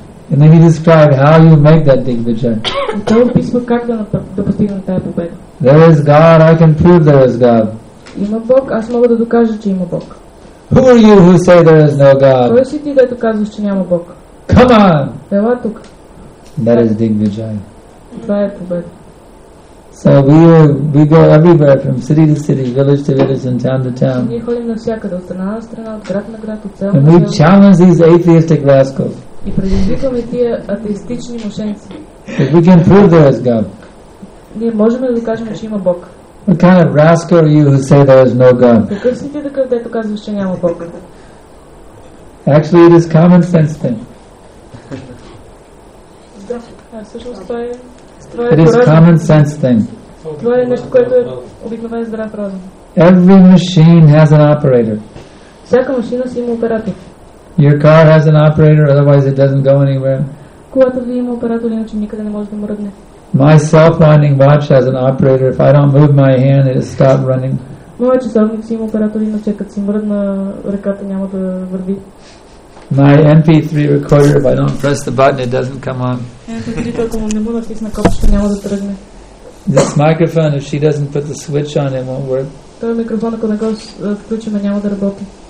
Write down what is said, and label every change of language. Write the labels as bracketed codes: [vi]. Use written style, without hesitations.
[en] And then he described how you make that Digvijay. There is God, I can prove there is God. [bg] Има Бог, аз мога да докажа, че има Бог. [en] Who are you who say there is no God? [bg] Кой си ти, дето казваш, че няма Бог? [en] Come on! [bg] Ела тук. [en] That is Digvijay. [bg] Това е победа. [en] So we go everywhere from city to city, village to village, and town to town. [bg] Ние ходим навсякъде, от една страна, от град на град, от цяло. [en] And we challenge these atheistic rascals. [bg] И предизвикаме тия атеистични мошенци. [en] If we can prove there is God. [bg] Ние можем да докажем, че има Бог. [en] What kind of rascal are you who say there is no God? [bg] Какъв си ти такъв, дето казваш, че няма Бог? [en] Actually, it is common sense thing. [bg] Да, всъщност това е здрав [en] разум. It is common sense thing. [bg] Това е нещо, което е обикновен здрав разум. [en] Every machine has an operator. [bg] Всяка машина си има оператор. [en] Your car has an operator, otherwise it doesn't go anywhere. [bg] Колата ви има оператор, иначе никъде не може да мръдне. [en] My self-winding watch has an operator. If I don't move my hand, it'll stop running. [bg] Моят часовник си има оператор, иначе като си мръдна ръката няма да върви. [en] My MP3 recorder, if I don't press the button, it doesn't come on. [bg] MP3, ако не му натисна копчето, няма да тръгне. [en] This microphone, if she doesn't put the switch on, it won't work. [bg] Този микрофон, ако не го включим, няма да работи.